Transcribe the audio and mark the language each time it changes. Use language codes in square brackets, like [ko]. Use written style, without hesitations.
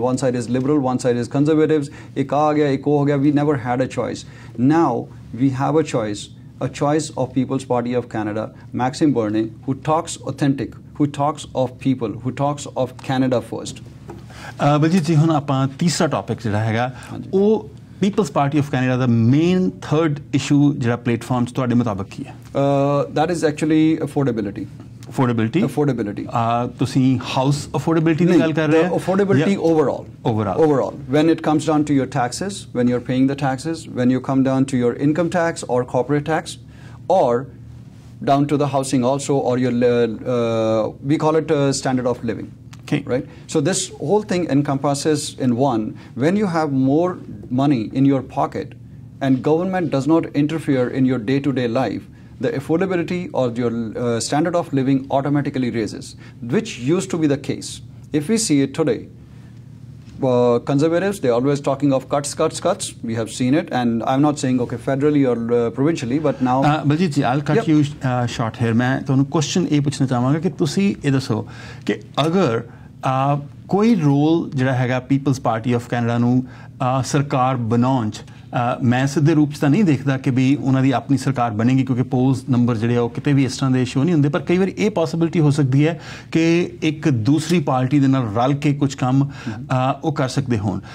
[en] One side is liberal, one side is conservatives. [pa] Ek aa gaya, ek ho gaya. [en] We never had a choice. Now we have a choice, of People's Party of Canada, Maxime Bernier, who talks authentic, who talks of people, who talks of Canada first. [pa] Biljit ji, hun apan teesra topic jehda hai ga, oh people's party of Canada ਦਾ main third issue ਜਿਹੜਾ platform ਤੁਹਾਡੇ ਮੁਤਾਬਕ ਕੀ ਹੈ? [en] That is actually affordability. Affordability. Affordability. [pa] ਤੁਸੀਂ house affordability ਦੀ ਗੱਲ ਕਰ ਰਹੇ ਹੋ? [en] Affordability overall. Overall. Overall. When it comes down to your taxes, when you are paying the taxes, when you come down to your income tax or corporate tax or down to the housing also or your we call it standard of living. Okay. Right? So this whole thing encompasses in one, when you have more money in your pocket and government does not interfere in your day-to-day life, the affordability or your standard of living automatically raises, which used to be the case. If we see it today, conservatives, they're always talking of cuts, cuts, cuts. We have seen it. And I'm not saying, okay, federally or provincially, but now... Baljeet ji, I'll cut yep. you short here. [pa] Main tonu question A puchna chahunga ki tusi eh dasso ki agar ਕੋਈ role ਜਿਹੜਾ ਹੈਗਾ people's party of Canada ਨੂੰ ਸਰਕਾਰ ਬਣਾਉਣ 'ਚ, ਮੈਂ ਸਿੱਧੇ ਰੂਪ 'ਚ ਤਾਂ ਨਹੀਂ ਦੇਖਦਾ ਕਿ ਵੀ ਉਹਨਾਂ ਦੀ ਆਪਣੀ ਸਰਕਾਰ ਬਣੇਗੀ, ਕਿਉਂਕਿ ਪੋਲਸ ਨੰਬਰ ਜਿਹੜੇ ਆ ਉਹ ਕਿਤੇ ਵੀ ਇਸ ਤਰ੍ਹਾਂ ਦੇ ਸ਼ੋਅ ਨਹੀਂ ਹੁੰਦੇ, ਪਰ ਕਈ ਵਾਰ ਇਹ ਪੋਸੀਬਿਲਿਟੀ ਹੋ ਸਕਦੀ ਹੈ ਕਿ ਇੱਕ ਦੂਸਰੀ ਪਾਰਟੀ ਦੇ ਨਾਲ ਰਲ ਕੇ ਕੁਝ ਕੰਮ ਉਹ ਕਰ ਸਕਦੇ ਹੋਣ.